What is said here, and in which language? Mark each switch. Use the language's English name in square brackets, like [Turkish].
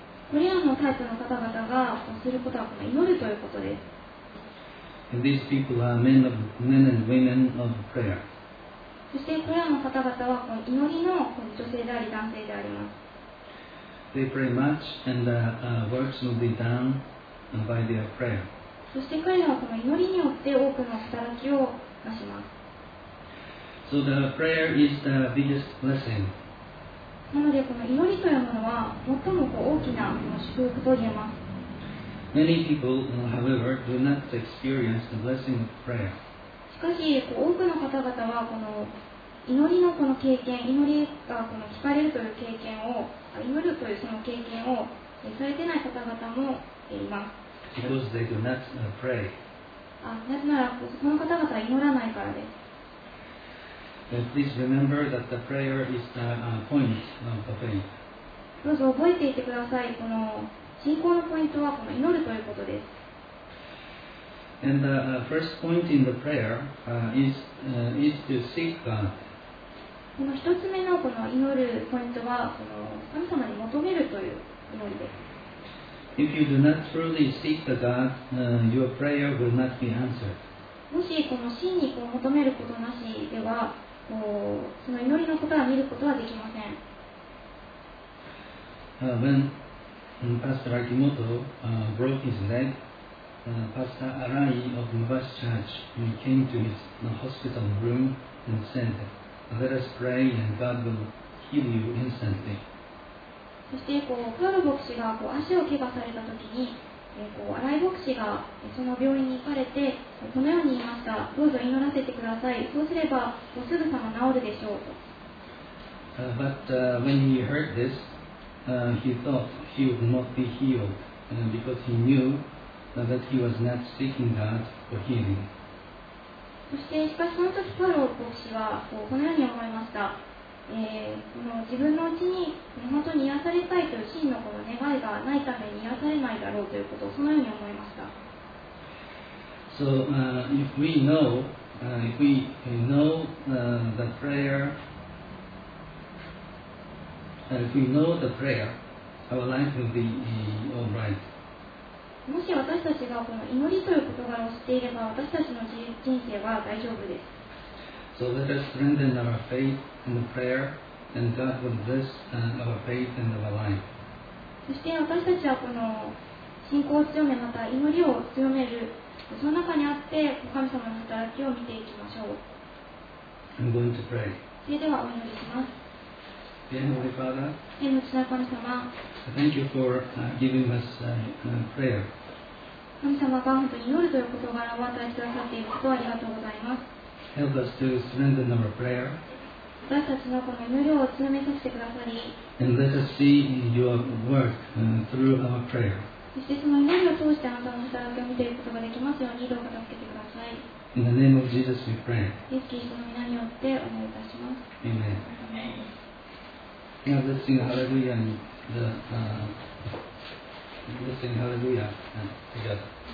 [Japanese] これらのタイプの方々がすることはこの祈るということです。 [English] And these people are men and women of prayer. [Japanese] そしてこれらの方々は祈りの女性であり男性であります。 [English] They pray much and works will be done by their prayer. [Japanese] そして彼らはこの祈りによって多くの働きを成します。 [English] So the prayer is the biggest blessing. [Japanese] なのでこの祈りというものは最も大きな祝福と言えます。 [English] Many people, however, do not experience the blessing of prayer. [Japanese] しかし多くの方々はこの祈りのこの経験、祈りがこの聞かれるという経験を、祈るというその経験をされていない方々もいます。 [English] Because they do not pray. [Japanese] なぜならその方々は祈らないからです。 [English] Please remember that the prayer is the point of the faith. [Japanese] どうぞ覚えていてください。この信仰のポイントはこの祈るということです。 [English] And the first point in the prayer is to seek God. [Japanese] この一つ目のこの祈るポイントはこの神様に求めるという祈りです。 [English] If you do not truly seek the God, your prayer will not be answered. [Japanese] もしこの真にこう求めることなしでは、こうその祈りの答えを見ることはできません。 [English] When Pastor Akimoto broke his leg. Pastor Arai of Mubas Church came to his hospital room and said, "Let us pray and God will heal you instantly." [Japanese] そしてこうカール牧師がこう足を怪我されたときに、こうアライ牧師がその病院に行かれてこのように言いました。どうぞ祈らせてください。そうすればもうすぐさま治るでしょうと。 [English] But when he heard this, he thought he would not be healed, because he knew. That he was not seeking God for healing. [Japanese] そしてしかしその時パウロ牧師は このように思いました、この自分のうちに本当に癒されたいという真 の, この願いがないために癒されないだろうということをそのように思いました。 [English] So if we know the prayer our life will be alright [Japanese] もし私たちがこの祈りという言葉を知っていれば私たちの人生は大丈夫です。 [English] So let us strengthen our faith in the prayer, and God will bless our faith and our life. [Japanese] そして私たちはこの信仰を強め、また祈りを強める、その中にあって神様の働きを見ていきましょう。 [English] I'm going to pray. [Japanese] それではお祈りします。天の父なる神様、 [English] Thank you for giving us prayer. [Japanese] 神様が本当に祈るということを表してくださっていることをありがとうございます。 [English] Help us to strengthen our prayer. [Japanese] 私たちのこの祈りを強めさせてくださり、 [English] And let us see your work through our prayer. [Japanese] そしてその祈りを通してあなたの働きを見ていくことができますように、どうか助けてください。 [English] In the name of Jesus we pray. [Japanese] イエス・キリストの名によってお願いいたします。 [English] Amen. Amen. Yeah, let's sing Hallelujah and the, let's sing Hallelujah together.